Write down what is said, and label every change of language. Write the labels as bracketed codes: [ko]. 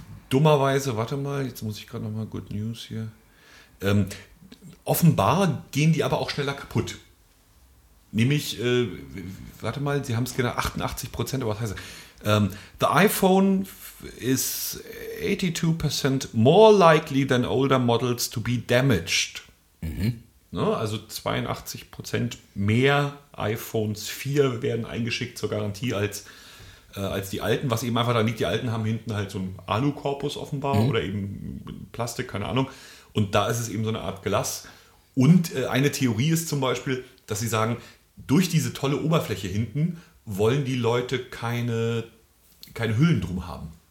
[de] Dummerweise, warte mal, jetzt muss ich gerade nochmal Good News hier. Offenbar gehen die aber auch schneller kaputt. Nämlich, warte mal, sie haben es genau 88%, aber was heißt das? [en] The iPhone is 82% more likely than older models to be damaged. Mhm. [de] Ne, also 82% mehr iPhones 4 werden eingeschickt zur Garantie als die alten, was eben einfach da liegt. Die alten haben hinten halt so einen Alu-Korpus offenbar oder eben Plastik, keine Ahnung. Und da ist es eben so eine Art Glas. Und eine Theorie ist zum Beispiel, dass sie sagen, durch diese tolle Oberfläche hinten wollen die Leute keine Hüllen drum haben.